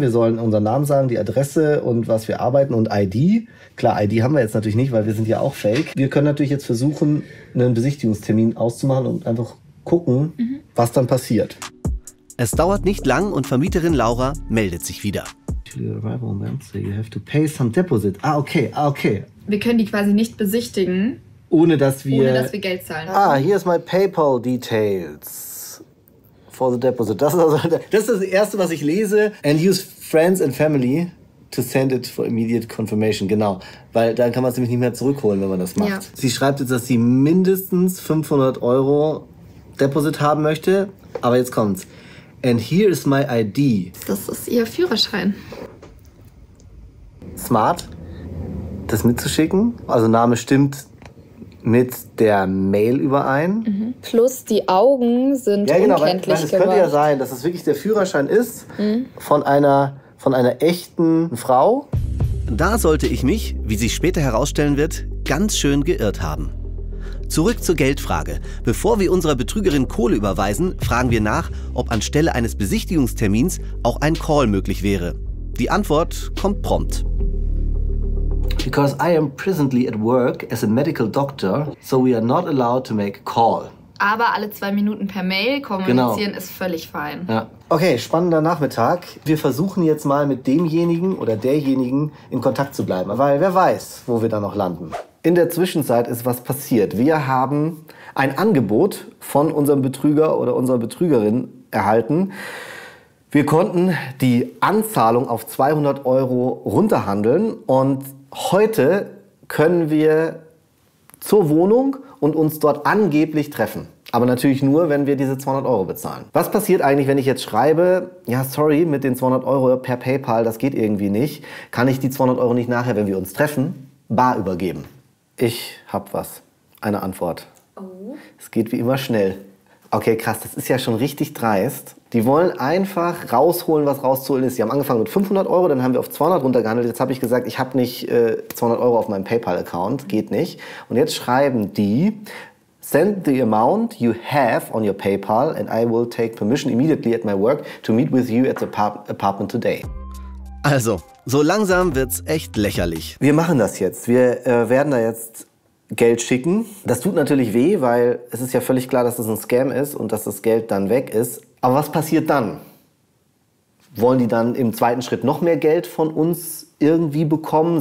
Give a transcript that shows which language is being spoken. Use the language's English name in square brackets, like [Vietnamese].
[German] Wir sollen unseren Namen sagen, die Adresse und was wir arbeiten und ID. Klar, ID haben wir jetzt natürlich nicht, weil wir sind ja auch fake. Wir können natürlich jetzt versuchen, einen Besichtigungstermin auszumachen und einfach gucken, was dann passiert. Es dauert nicht lang und Vermieterin Laura meldet sich wieder. [English] You have to pay some deposit. Ah, okay, ah, okay. [German] Wir können die quasi nicht besichtigen. Ohne dass wir Geld zahlen. [English] Ah, [German] hier ist mein [English] PayPal Details for the deposit. [German] Das ist das Erste, was ich lese. [English] And use friends and family to send it for immediate confirmation. [German] Genau, weil dann kann man es nämlich nicht mehr zurückholen, wenn man das macht. Ja. Sie schreibt jetzt, dass sie mindestens 500 Euro Deposit haben möchte. Aber jetzt kommt's. [English] And here is my ID. [German] Das ist ihr Führerschein. Smart, das mitzuschicken. Also Name stimmt mit der Mail überein. Mhm. Plus die Augen sind unkenntlich gemacht. Ja, genau, weil es könnte ja sein, dass es wirklich der Führerschein ist von einer echten Frau. Da sollte ich mich, wie sich später herausstellen wird, ganz schön geirrt haben. Zurück zur Geldfrage. Bevor wir unserer Betrügerin Kohle überweisen, fragen wir nach, ob anstelle eines Besichtigungstermins auch ein Call möglich wäre. Die Antwort kommt prompt. [English] Because I am presently at work as a medical doctor, so we are not allowed to make a call. [German] Aber alle 2 Minuten per Mail kommunizieren, genau, ist völlig fein. Ja. Okay, spannender Nachmittag. Wir versuchen jetzt mal mit demjenigen oder derjenigen in Kontakt zu bleiben, weil wer weiß, wo wir da noch landen. In der Zwischenzeit ist was passiert. Wir haben ein Angebot von unserem Betrüger oder unserer Betrügerin erhalten. Wir konnten die Anzahlung auf 200 Euro runterhandeln und heute können wir zur Wohnung und uns dort angeblich treffen. Aber natürlich nur, wenn wir diese 200 Euro bezahlen. Was passiert eigentlich, wenn ich jetzt schreibe, ja, sorry, mit den 200 Euro per PayPal, das geht irgendwie nicht, kann ich die 200 Euro nicht nachher, wenn wir uns treffen, bar übergeben? Ich hab was. Eine Antwort. Oh. Es geht wie immer schnell. Okay, krass, das ist ja schon richtig dreist. Die wollen einfach rausholen, was rauszuholen ist. Sie haben angefangen mit 500 Euro, dann haben wir auf 200 runtergehandelt. Jetzt habe ich gesagt, ich habe nicht 200 Euro auf meinem PayPal-Account. Geht nicht. Und jetzt schreiben die, [English] send the amount you have on your PayPal and I will take permission immediately at my work to meet with you at the apartment today. [German] Also, so langsam wird's echt lächerlich. Wir machen das jetzt. Wir werden da jetzt Geld schicken. Das tut natürlich weh, weil es ist ja völlig klar, dass das ein Scam ist und dass das Geld dann weg ist. Aber was passiert dann? Wollen die dann im zweiten Schritt noch mehr Geld von uns irgendwie bekommen?